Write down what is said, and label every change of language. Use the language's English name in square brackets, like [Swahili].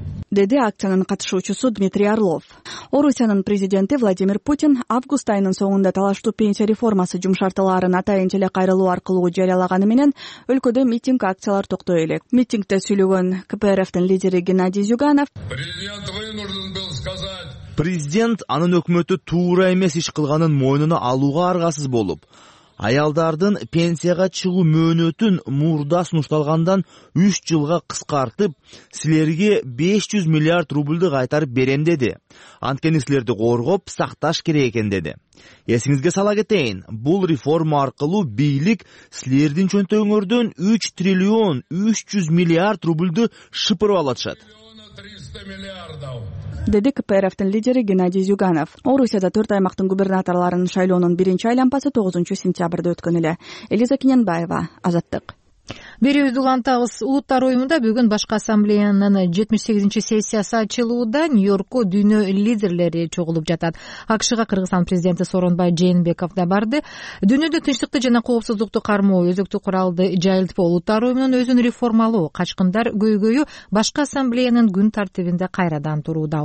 [Kyrgyz] Деди акциянын катышуучусу Дмитрий Орлов. Орусиянын президенти Владимир Путин август айынын соңунда талаштуу пенсия реформасы жумшартыларын атайын теле кайрылуу аркылуу жарыялаганы менен өлкөдө митинг акциялар токтой элек. Митингде сүйлөгөн КПРФтин лидери Геннадий Зюганов: [Russian] Президент вынужден был сказать. [Kyrgyz] Президент анын өкмөтү туура эмес иш кылганын мойнуна алууга аргасыз болуп, аялдардын пенсияга чыгуу мөөнөтүн мурда сунушталгандан 3 жылга кыскартып, силерге 500 миллиард рублду кайтарып берем деди. Анткени силерди коргоп, сакташ керек экен деди. Эсиңизге сала кетейин, бул реформа аркылуу бийлик силердин чөнтөгүңөрдөн 3 триллион 300 миллиард рублду шыпырып алышат. Деди КПРФтин лидери Геннадий Зюганов. Орусияда 4 аймактын губернаторлорунун шайлоонун биринчи айлампасы 9 сентябрда өткөн эле. Элиза Кененбаева, Азаттык. Берүүбүздү улантабыз. Улуттар уюмунда бүгүн башка ассамблеянын 78-ші сессиясы ачылууда Нью-Йоркко дүйнө лидерлери чогулуп жатат. АКШга Кыргызстан президенти Сооронбай Жээнбеков да барды. Дүйнөдө тынчтыкты жана коопсуздукту кармоо өзөктүү куралды жайылтпоо улуттар уюмунун өзүн реформалоо, качкындар көйгөйү башка ассамблеянын күн тартибинде кайрадан турууда.